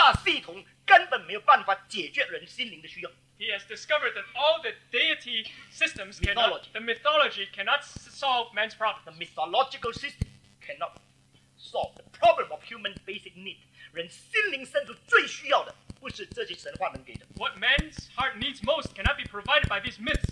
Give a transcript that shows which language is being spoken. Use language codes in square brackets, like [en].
[zh] 因为他已经发现了所有的神话系统根本没有办法解决人心灵的需要。 [en] He has discovered that all the deity systems, the mythology cannot solve man's problem. The mythological system cannot solve the problem of human basic need. [zh] 人心灵深处最需要的不是这些神话能给的。 [en] What man's heart needs most cannot be provided by these myths.